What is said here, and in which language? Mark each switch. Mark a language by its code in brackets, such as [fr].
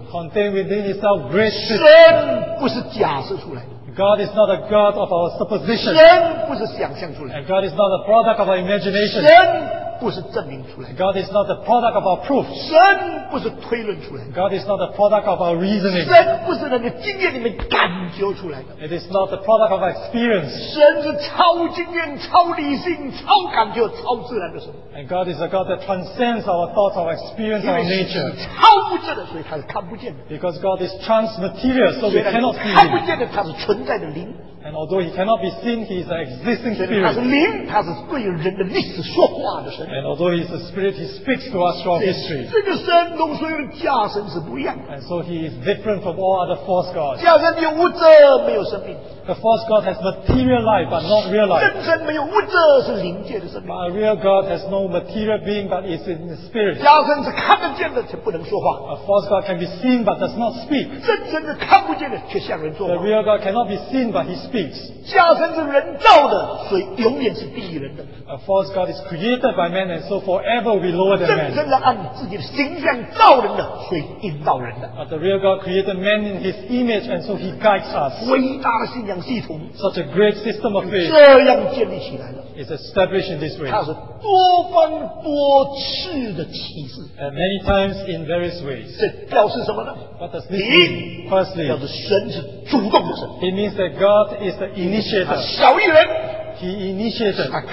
[en] contained within itself great system. [zh] 神不是假设出来的. [en] God is not a God of our supposition. [zh] 神不是想象出来的. [en] And God is not a product of our imagination. [zh] 神不是证明出来的. [en] God is not the product of our proof. [zh] 神不是推论出来的. [en] God is not the product of our reasoning. [zh] 神不是那个经验里面感觉出来的. [en] It is not the product of our experience. [zh] 神是超经验、超理性、超感觉、超自然的神。 [en] And God is a God that transcends our thoughts, our experience, our nature. [zh] 超物质的，所以他是看不见的. [en] Because God is transmaterial, so we cannot see him. [zh] 看不见的，他是存在的灵。 [en] And although he cannot be seen, he is an existing spirit. [zh] 他是灵，他是对人的历史说话的神。 [en] And although he is a spirit, he speaks to us through history. [zh] 这个神跟所有的假神是不一样的。 [en] And so he is different from all other false gods. [zh] 假神有物质，没有生命。 [en] The false God has material life but not real life. [zh] 真神没有物质，是灵界的生命。 [en] But a real God has no material being but is in the spirit. [zh] 假神是看得见的，却不能说话。 [en] A false God can be seen but does not speak. [zh] 真神是看不见的，却向人说话。 [en] The real God cannot be seen but he speaks. [zh] 假神是人造的，所以永远是低于人的。 [en] A false God is created by man and so forever will be lower than man. [zh] 真神是按自己的形象造人的，所以引导人的。 [en] But the real God created man in his image and so he guides us. [zh] 伟大的心 [en] Such a great system of faith is established in this way. And many times in various ways. What does this mean? Firstly, it means that God is the initiator. He initiated.